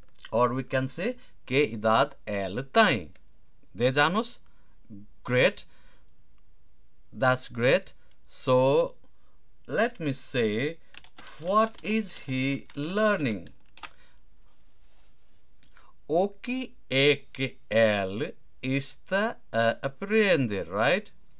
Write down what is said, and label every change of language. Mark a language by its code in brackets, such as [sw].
[en] Or we can say, [pt] que idade ele tem? 10 anos? [en] Great. That's great. So, let me say, what is he learning? [pt] O que é que ele está a aprender, right?